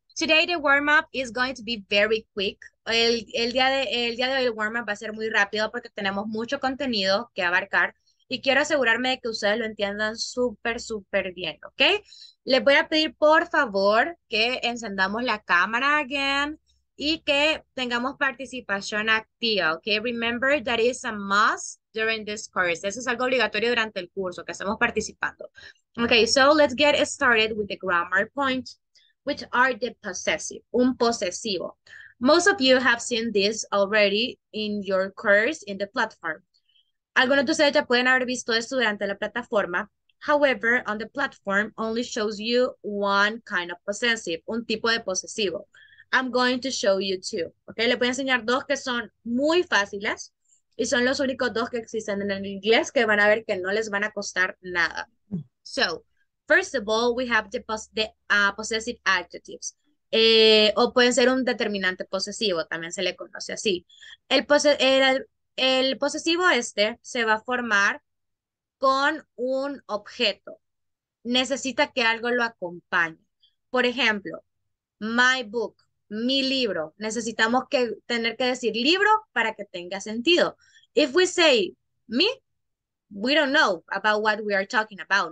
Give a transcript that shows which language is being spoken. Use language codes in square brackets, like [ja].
[en] Today the warm up is going to be very quick. [es] El día de hoy el warm up va a ser muy rápido porque tenemos mucho contenido que abarcar y quiero asegurarme de que ustedes lo entiendan súper, súper bien, ¿ok? Les voy a pedir por favor que encendamos la cámara again y que tengamos participación activa, ¿ok? [en] Remember that is a must during this course. [es] Eso es algo obligatorio durante el curso, que estemos participando. [en] Ok, so let's get started with the grammar point, which are the possessive, [es] un posesivo. [en] Most of you have seen this already in your course in the platform. [es] Algunos de ustedes ya pueden haber visto esto durante la plataforma. [en] However, on the platform only shows you one kind of possessive, [es] un tipo de posesivo. [en] I'm going to show you two. [es] Okay, le voy a enseñar dos que son muy fáciles y son los únicos dos que existen en el inglés que van a ver que no les van a costar nada. [en] So, first of all, we have the possessive adjectives. [es] O pueden ser un determinante posesivo, también se le conoce así. El posesivo este se va a formar con un objeto. Necesita que algo lo acompañe. Por ejemplo, [en] my book, [es] mi libro. Necesitamos que tener que decir libro para que tenga sentido. [en] If we say me, we don't know about what we are talking about.